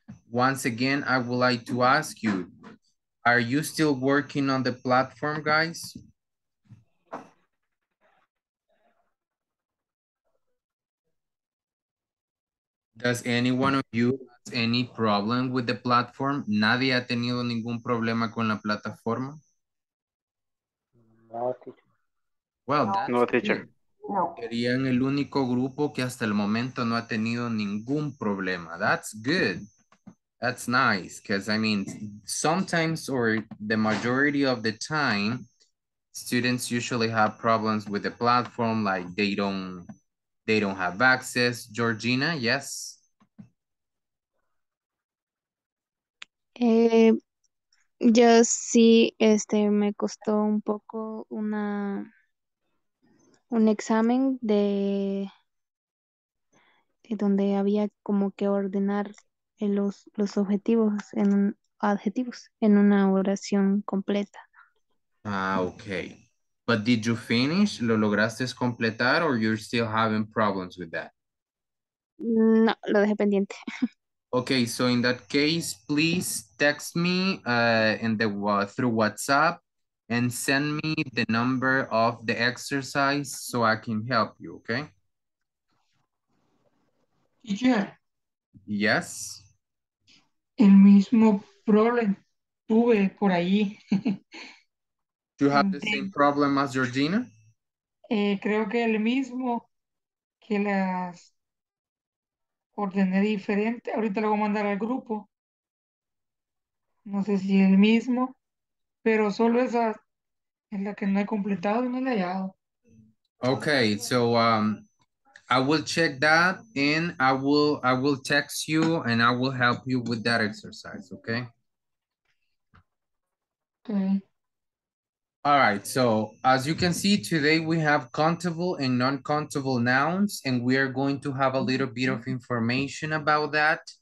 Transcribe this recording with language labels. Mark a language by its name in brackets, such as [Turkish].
[English] Once again, I would like to ask you, are you still working on the platform, guys? Does anyone of you have any problem with the platform? [Spanish] ¿Nadie ha tenido ningún problema con la plataforma? [English] No, teacher. Well, no, teacher. No. [Spanish] Serían el único grupo que hasta el momento no ha tenido ningún problema. [English] That's good. That's nice, because I mean, sometimes or the majority of the time, students usually have problems with the platform, like they don't have access. Georgina, yes? [Spanish] Yo sí, me costó un poco un examen de donde había como que ordenar los objetivos en adjetivos en una oración completa. [English] Ah, okay. But did you finish? [Spanish] ¿Lo lograste completar [English] or you're still having problems with that? [Spanish] No, lo dejé pendiente. [English] Okay, so in that case, please text me through WhatsApp and send me the number of the exercise so I can help you, okay? Teacher. Yes. [Spanish] El mismo problem tuve por ahí. [English] Do you have the same problem as Georgina? [Spanish] Creo que el mismo que las ordené diferente. Ahorita lo voy a mandar al grupo. No sé si el mismo, pero solo esa es la que no he completado y no he hallado. [English] Okay, so I will check that and I will text you and I will help you with that exercise, okay? Okay. All right, so as you can see, today we have countable and non-countable nouns, and we are going to have a little bit of information about that.